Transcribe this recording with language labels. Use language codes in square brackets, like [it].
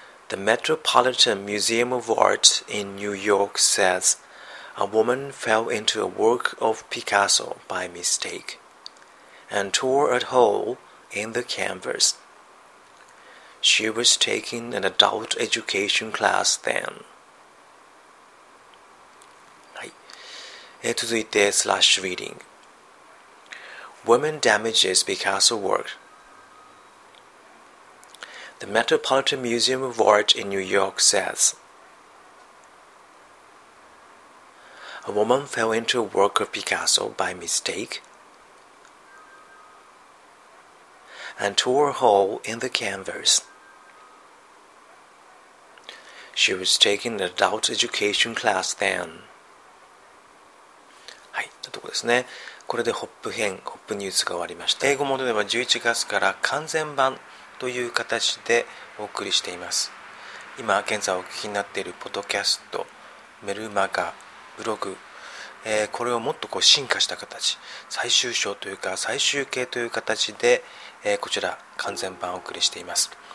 [en] The Metropolitan Museum of Art in New York says a woman fell into a work of Picasso by mistake and tore a hole in the canvas. She was taking an adult education class then. [ja] はい。続いて、スラッシュリーディング。 [en] Woman damages Picasso work. The Metropolitan Museum of Art in New York says, a woman fell into a work of Picasso by mistake. And tore a hole in the canvas. She was taking an adult education class then. [ja] はい、というところですね。これでホップ編、ホップニュースが終わりました。英語モードでは11月から完全版という形でお送りしています。今現在お聞きになっているポッドキャスト、メルマガ、ブログ、これをもっとこう進化した形、最終章というか最終形という形で、こちら完全版をお送りしています。